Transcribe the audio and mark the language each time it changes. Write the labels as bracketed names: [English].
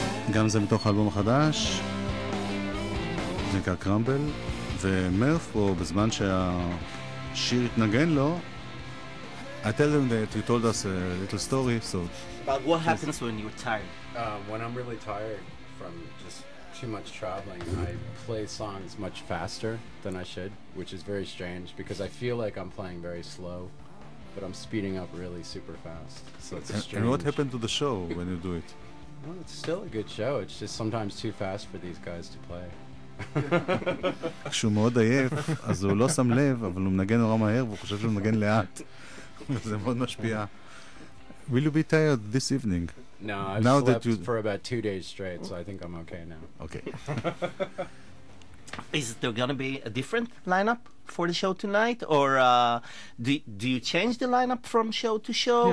[Hebrew] גם זה מתוך אלבום חדש, זה נקרא קרמבל, ומרף פה, בזמן שהשיר התנגן לו, [English] I tell them that you told us a little story, so... But what happens when you're tired? When I'm really tired from just too much traveling, I play songs much faster than I should, which is very strange, because I feel like I'm playing very slow, but I'm speeding up really super fast, so it's strange. And what happened to the show when you do it? Well, it's still a good show, it's just sometimes too fast for these guys to play. [Hebrew] כשהוא מאוד עייף, אז הוא לא שם לב, אבל הוא מנגן נורא מהר, והוא חושב שהוא מנגן לאט. וזה מאוד משפיע. [English] Will you be tired this evening? No, I've now slept you... for about 2 days straight, so I think I'm okay now. Okay. Is there going to be a different lineup for the show tonight, or do you change the lineup from show to show,